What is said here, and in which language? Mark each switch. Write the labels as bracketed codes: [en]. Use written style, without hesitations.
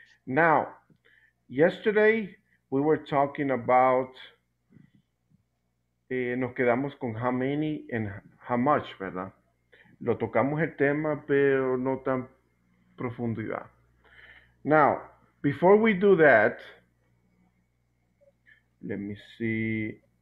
[en] Now, yesterday we were talking about [es] nos quedamos con [en] how many and how much, [es] ¿verdad? Lo tocamos el tema, pero no tan profundidad. [en] Now, before we do that, let me see.